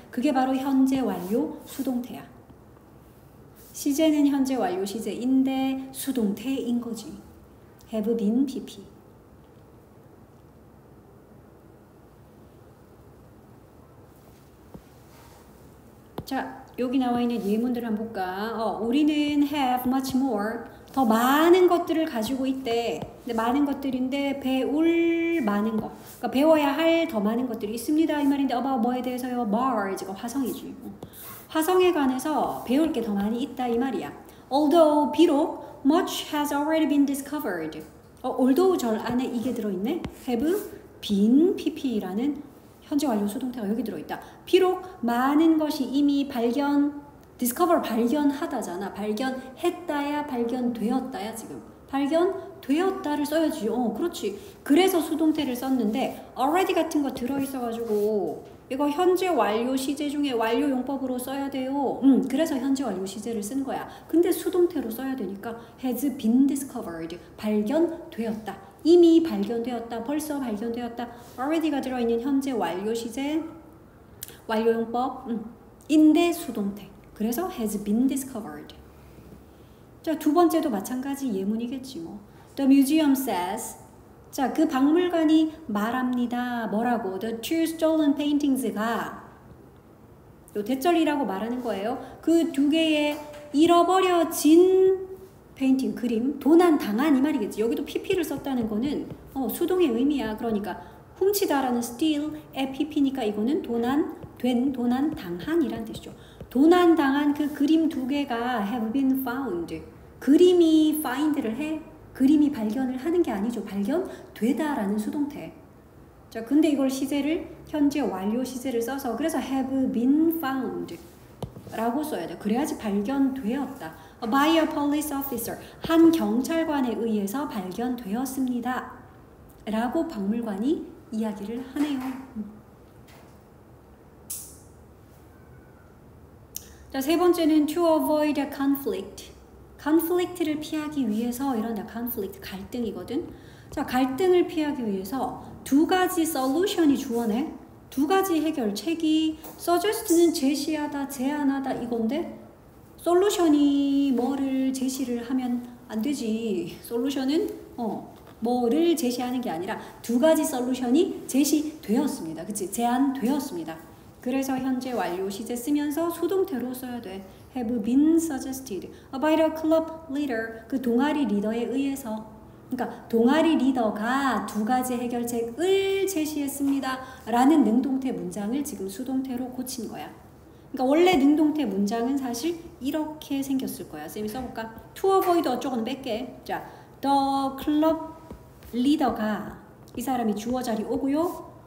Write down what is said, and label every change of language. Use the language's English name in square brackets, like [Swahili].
[Korean] 그게 바로 현재 완료 수동태야. 시제는 현재 완료 시제인데 수동태인 거지. [English] have been pp. [Korean] 자, 여기 나와 있는 예문들 한번 볼까? 우리는 [English] have much more. [Korean] 더 많은 것들을 가지고 있대. 근데 많은 것들인데 배울 많은 것. 그러니까 배워야 할 더 많은 것들이 있습니다. 이 말인데 [English] about [Korean] 뭐에 대해서요? more. 이거 화성이지. 화성에 관해서 배울 게 더 많이 있다 이 말이야. [English] Although, [Korean] 비록, [English] much has already been discovered. [Korean] Although 절 안에 이게 들어있네. [English] have been pp [Korean] 라는 현재 완료 수동태가 여기 들어있다. 비록 많은 것이 이미 발견 discover 발견하다잖아. 발견했다야 발견되었다야 지금. 발견되었다를 써야지. 어, 그렇지. 그래서 수동태를 썼는데 already 같은 거 들어 있어 가지고 이거 현재 완료 시제 중에 완료 용법으로 써야 돼요. 그래서 현재 완료 시제를 쓴 거야. 근데 수동태로 써야 되니까 [English] has been discovered. [Korean] 발견되었다. 이미 발견되었다. 벌써 발견되었다. already가 들어 있는 현재 완료 시제 완료 용법. 인데 수동태. 그래서 [English] has been discovered. [Korean] 자, 두 번째도 마찬가지 예문이겠지 뭐. [English] The museum says. [Korean] 자, 그 박물관이 말합니다. 뭐라고? [English] The two stolen paintings [Korean] 가 요 대절이라고 말하는 거예요. 그 두 개의 잃어버려진 페인팅 그림 도난 당한 이 말이겠지. 여기도 PP를 썼다는 거는 어, 수동의 의미야. 그러니까 훔치다라는 steal의 PP니까 이거는 도난된 도난 당한이란 뜻이죠. 도난당한 그 그림 두 개가 [English] have been found. [Korean] 그림이 find를 해. 그림이 발견을 하는 게 아니죠. 발견되다라는 수동태. 자, 근데 이걸 시제를 현재 완료 시제를 써서 그래서 [English] have been found [Korean] 라고 써야 돼. 그래야지 발견되었다. [English] By a police officer. [Korean] 한 경찰관에 의해서 발견되었습니다. 라고 박물관이 이야기를 하네요. 자, 세 번째는 [English] to avoid a conflict. [Korean] conflict를 피하기 위해서 이런 conflict, 갈등이거든. 자, 갈등을 피하기 위해서 두 가지 solution이 주어내. 두 가지 해결책이 suggest는 제시하다, 제안하다 이건데 solution이 뭐를 제시를 하면 안 되지. solution은 어, 뭐를 제시하는 게 아니라 두 가지 solution이 제시되었습니다. 그치? 제안되었습니다. 그래서 현재 완료 시제 쓰면서 수동태로 써야 돼. [English] Have been suggested by the club leader. [Korean] 그 동아리 리더에 의해서. 그러니까 동아리 리더가 두 가지 해결책을 제시했습니다. 라는 능동태 문장을 지금 수동태로 고친 거야. 그러니까 원래 능동태 문장은 사실 이렇게 생겼을 거야. 쌤이 써볼까? To avoid 어쩌고는 뺄게. 자, the club leader가 이 사람이 주어 자리 오고요.